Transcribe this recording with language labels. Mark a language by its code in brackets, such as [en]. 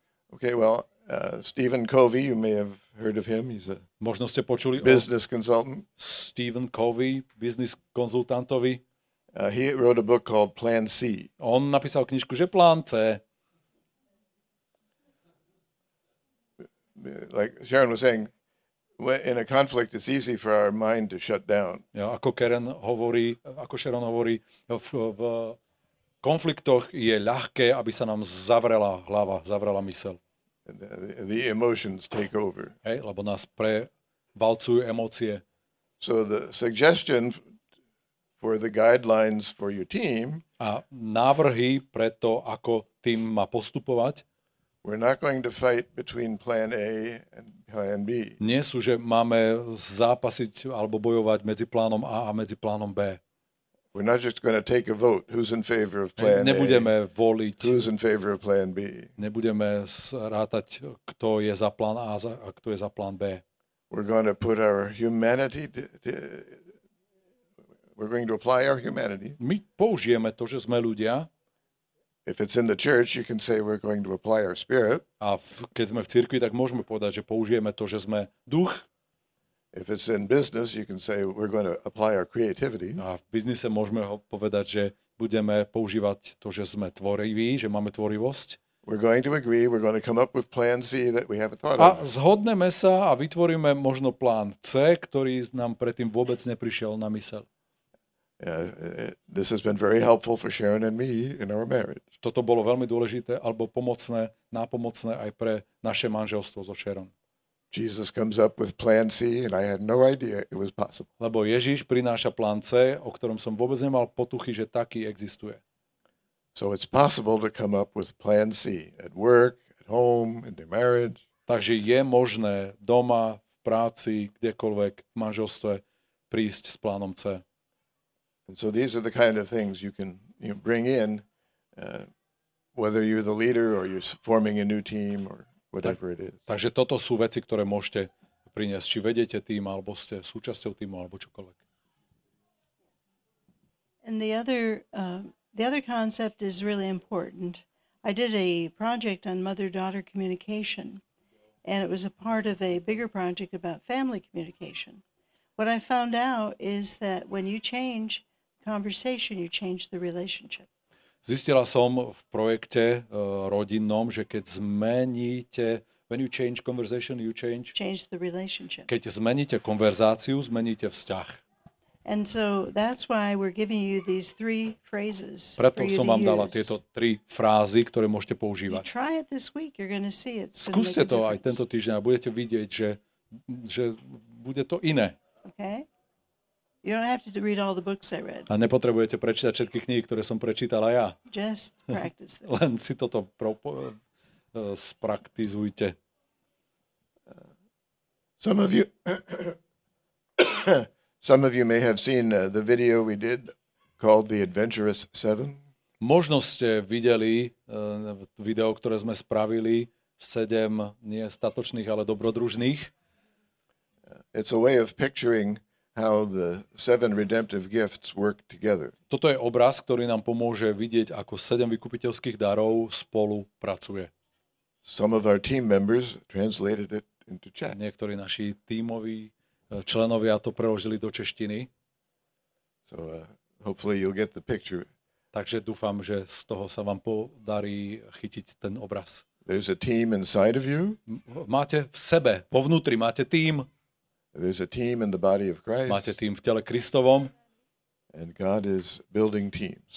[en] Okay, well, Stephen Covey, you may have heard of him. He's a [sk] možno ste počuli [en] business consultant. [sk] Stephen Covey, business konzultantovi. [en] He wrote a book called Plan C. [sk] On napísal knižku, že Plán C. [en] Like Sharon was saying, in a conflict it's easy for our mind to shut down. [sk] Ja, ako Sharon hovorí, v konfliktoch je ľahké, aby sa nám zavrela hlava, zavrela myseľ. [en] The emotions take over. [sk] Hej, lebo nás prevalcujú emócie. [en] So the suggestion for the guidelines for your team. [sk] A návrhy pre to, ako tým má postupovať. [en] We're not going to fight between plan A and plan B. [sk] Nie sú, že máme zápasiť alebo bojovať medzi plánom A a medzi plánom B. [en] We're not just going to take a vote who's in favor of plan A. [sk] Nebudeme voliť. [en] Who's in favor of plan B. [sk] Nebudeme rátať, kto je za plán A a kto je za plán B. [en] We're going to put our humanity we're going to apply our humanity. [sk] My použijeme to, že sme ľudia. [en] If it's in the church, you can say we're going to apply our spirit. [sk] A keď sme v cirkvi, tak môžeme povedať, že použijeme to, že sme duch. [en] If it's in business, you can say we're going to apply our creativity. [sk] A v biznise môžeme povedať, že budeme používať to, že sme tvoriví, že máme tvorivosť. [en] We're going to agree, we're going to come up with plan C that we haven't thought [sk] of. A zhodneme sa a vytvoríme možno plán C, ktorý nám predtým vôbec neprišiel na myseľ. [en] This has been very helpful for Sharon and me in our marriage. [sk] Toto bolo veľmi dôležité alebo pomocné, nápomocné aj pre naše manželstvo so Sharon. [en] Jesus comes up with plan C and I had no idea it was possible. [sk] Lebo Ježiš prináša plán C, o ktorom som vôbec nemal potuchy, že taký existuje. [en] So it's possible to come up with plan C at work, at home, in the marriage. [sk] Takže je možné doma, v práci, kdekoľvek, v manželstve prísť s plánom C. [en] And so these are the kind of things you can bring in whether you're the leader or you're forming a new team or whatever it is. [sk] Takže toto sú veci, ktoré môžete priniesť, či vedete tým alebo ste súčasťou týmu alebo čokoľvek. [en] And the other concept is really important. I did a project on mother-daughter communication and it was a part of a bigger project about family communication. What I found out is that when you change conversation, you change the relationship. [sk] Zistila som v projekte rodinnom, že keď zmeníte, [en] when you change conversation, you change the relationship. [sk] Keď zmeníte konverzáciu, zmeníte vzťah. [en] And so that's why we're giving you these three phrases. [sk] Preto som vám dala tieto tri frázy, ktoré môžete používať. [en] Try it this week, you're going to see it. [sk] Skúste to aj tento týždeň a budete vidieť, že bude to iné. [en] Okay? You don't have to read all the books I read. [sk] A nepotrebujete prečítať všetky knihy, ktoré som prečítala ja. [en] Just practice this. [sk] Len si toto spraktizujte. [en] Some of you may have seen the video we did called The Adventurous Seven. [sk] Možno ste videli video, ktoré sme spravili, sedem nie statočných, ale dobrodružných. [en] It's a way of picturing how the seven redemptive gifts work together. [sk] Toto je obraz, ktorý nám pomôže vidieť, ako sedem vykupiteľských darov spolu pracuje. [en] Some of our team members translated it into Czech. [sk] Niektorí naši tímoví členovia to preložili do češtiny. [en] So hopefully you'll get the picture. [sk] Takže dúfam, že z toho sa vám podarí chytiť ten obraz. [en] There's a team inside of you. [sk] Máte v sebe, vo vnútri máte tím. [en] There's a team in the body of Christ. [sk] Máte tím v tele Kristovom. [en] And God is building teams.